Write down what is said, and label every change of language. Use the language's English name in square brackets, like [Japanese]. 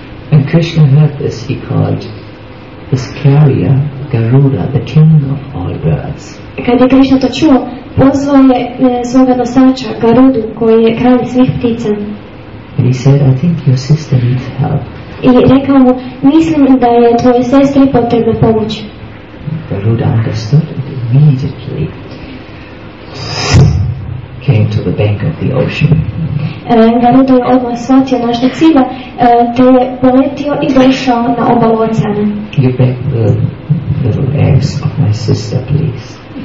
[English] When Krishna heard this, he called his carrier Garuda, the king of all birds. [Croatian] Kad je Krišna to čuo, pozvao svoga nosača Garudu, koji je kralj svih ptica. [English] And he said, I think your sister needs help. [Croatian] I rekao mu, mislim da je tvojoj sestri potrebna pomoć. [English] Garuda understood and immediately came to the bank of the ocean. [Croatian] Garuda je odmah shvatio našeg cilja, te je poletio i došao na obalu oceana. [English] You beg the little eggs of my sister, please.